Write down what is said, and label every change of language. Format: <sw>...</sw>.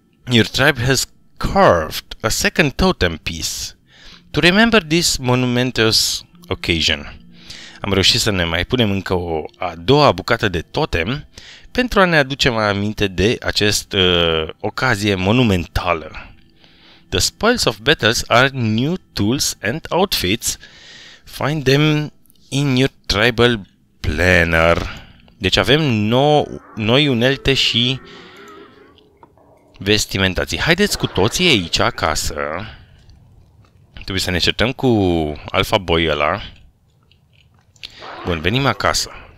<en>Your tribe has carved a second totem piece to remember this monumentous occasion.</en> <ro>Am reușit să ne mai punem încă o a doua bucată de totem pentru a ne aduce mai aminte de acest ocazie monumentală.</ro> <en>The spoils of battles are new tools and outfits. Find them in your tribal planner.</en> <ro>Deci avem noi unelte și vestimentații. Haideți cu toții aici acasă. Trebuie să ne certăm cu Alpha Boy ăla. Bun, venim acasă.</ro>